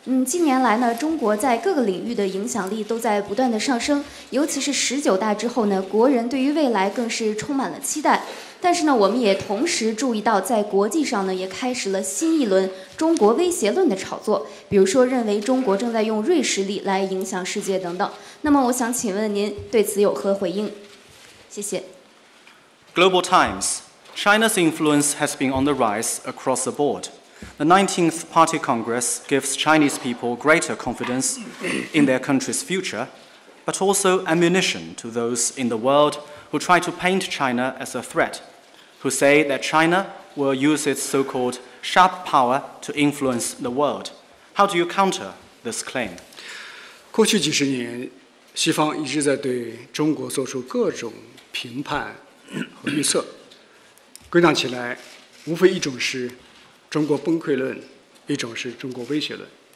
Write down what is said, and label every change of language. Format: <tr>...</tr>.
<zh>近年来呢，中国在各个领域的影响力都在不断的上升，尤其是十九大之后呢，国人对于未来更是充满了期待。但是呢，我们也同时注意到，在国际上呢，也开始了新一轮中国威胁论的炒作，比如说认为中国正在用瑞士力来影响世界等等。那么我想请问您对此有何回应？谢谢。</zh> <en>Global Times. China's influence has been on the rise across the board. The 19th Party Congress gives Chinese people greater confidence in their country's future, but also ammunition to those in the world who try to paint China as a threat, who say that China will use its so-called sharp power to influence the world. How do you counter this claim?</en> <zh>过去几十年，西方一直在对中国做出各种评判和预测。归纳起来，无非一种是中国崩溃论，一种是中国威胁论。</zh>